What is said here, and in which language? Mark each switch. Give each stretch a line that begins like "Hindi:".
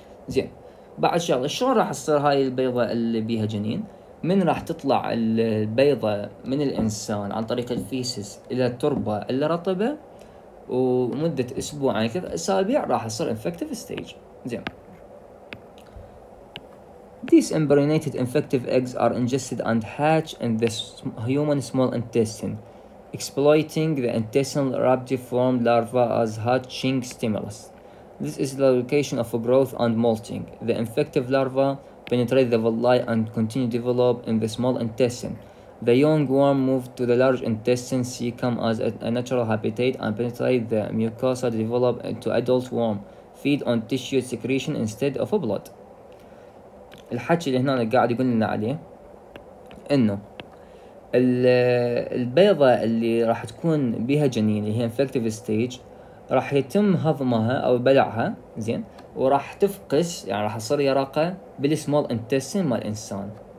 Arabic: زين بعد شغله، شلون راح تصير هاي البيضه اللي بيها جنين؟ من راح تطلع البيضه من الانسان عن طريق الفيسس الى التربه الرطبه ومده اسبوع يعني 3 اسابيع راح يصير انفكتيف ستيج.
English: These embryonated infective eggs are ingested and hatch in the human small intestine, exploiting the intestinal rapidiform larva as hatching stimulus. This is the location of growth and molting. The infective larva penetrate the villi and continue to develop in the small intestine. The young worm move to the large intestine cecum as a natural habitat and penetrate the mucosa to develop into adult worm. feed on tissue secretion instead of blood.
Arabic: الحكي اللي هنا أنا قاعد يقول لنا عليه انه البيضة اللي راح تكون بها جنين اللي هي
English: infective stage
Arabic: راح يتم هضمها او بلعها، زين وراح تفقس، يعني راح تصير يرقة بالسمول انتستين مال الانسان.